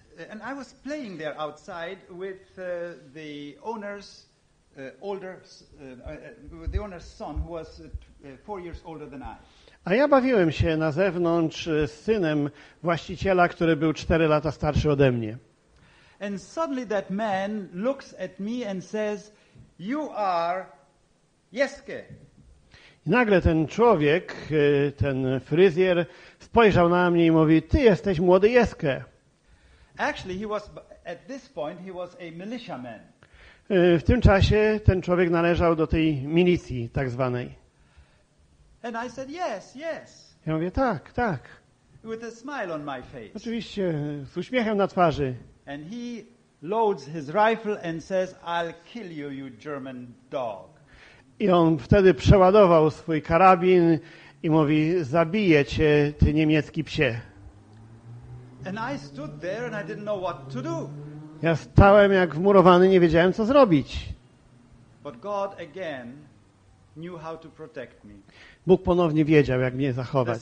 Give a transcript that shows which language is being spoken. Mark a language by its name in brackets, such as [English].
[English] And I was playing there outside with the owner's older the owner's son, who was 4 years older than I. [Polish] A ja bawiłem się na zewnątrz z synem właściciela, który był 4 lata starszy ode mnie. [English] And suddenly that man looks at me and says, "You are Jeske." [Polish] I nagle ten człowiek, ten fryzjer, spojrzał na mnie i mówi: "Ty jesteś młody Jeske." [English] Actually, he was at this point he was a militiaman. [Polish] W tym czasie ten człowiek należał do tej milicji tak zwanej. [English] And I said, yes, yes. [Polish] Ja mówię, tak, tak. [English] With a smile on my face. [Polish] Oczywiście, z uśmiechem na twarzy. [English] And he loads his rifle and says, "I'll kill you, you German dog." [Polish] I on wtedy przeładował swój karabin i mówi: "Zabiję cię, ty niemiecki psie." [English] And I stood there and I didn't know what to do. [Polish] Ja stałem jak wmurowany, nie wiedziałem, co zrobić. [English] But God again knew how to protect me. [Polish] Bóg ponownie wiedział, jak mnie zachować.